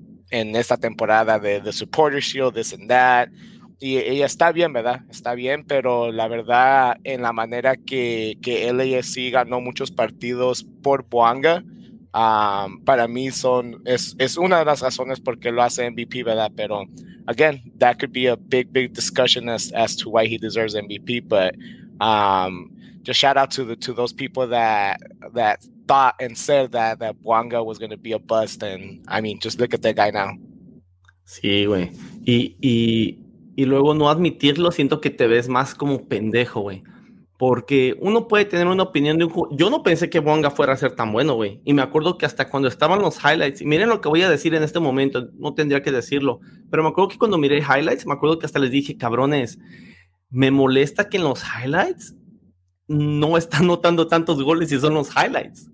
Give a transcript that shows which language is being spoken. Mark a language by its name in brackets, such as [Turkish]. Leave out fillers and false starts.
[Spanish] En esta temporada de Supporters Shield, [English] this and that. [Spanish] Y está bien, ¿verdad? Está bien, pero la verdad, en la manera que LAFC ganó muchos partidos por Boanga, para mí es una de las razones por qué lo hace MVP, ¿verdad? Pero, [English] again, that could be a big, big discussion as to why he deserves MVP, but. Just shout out to those people that thought and said that Buanga was going to be a bust, and I mean, just look at that guy now. [Spanish] Sí, güey. Y luego no admitirlo, siento que te ves más como pendejo, güey. Porque uno puede tener una opinión de un jugador. Yo no pensé que Bonga fuera a ser tan bueno, güey. Y me acuerdo que hasta cuando estaban los highlights, y miren lo que voy a decir en este momento, no tendría que decirlo, pero me acuerdo que cuando miré highlights, me acuerdo que hasta les dije, cabrones, me molesta que en los highlights no están notando tantos goles y son los highlights.